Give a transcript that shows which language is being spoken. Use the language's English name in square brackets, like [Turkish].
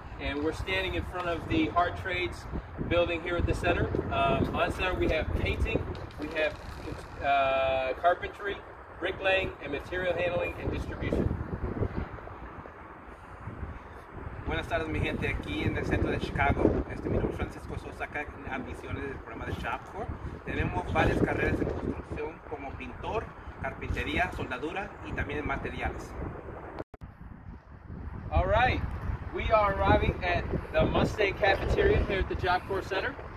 [English] And we're standing in front of the Art Trades building here at the center. On center we have painting, we have carpentry, bricklaying, and material handling and distribution. [Spanish] Buenas tardes mi gente, aquí en el centro de Chicago. Mi nombre es Francisco Sosa, acá en admisiones del programa de Job Corps. Tenemos varias carreras en construcción como pintor, carpintería, soldadura y también en materiales. [English] All right, we are arriving at the Mustang Cafeteria here at the Job Corps Center.